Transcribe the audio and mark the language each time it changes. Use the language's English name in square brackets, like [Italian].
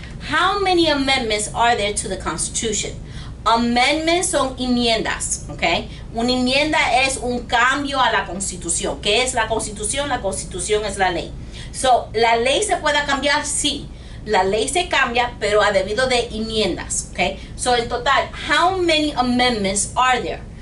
[English] How many amendments are there to the Constitution? [Spanish] Amendments son enmiendas, okay? Una enmienda es un cambio a la Constitución. ¿Qué es la Constitución? La Constitución es la ley. [English] So, [Spanish] ¿la ley se puede cambiar? Sí. La ley se cambia, pero a debido de enmiendas, okay? [English] So, [Spanish] en total, [English] how many amendments are there?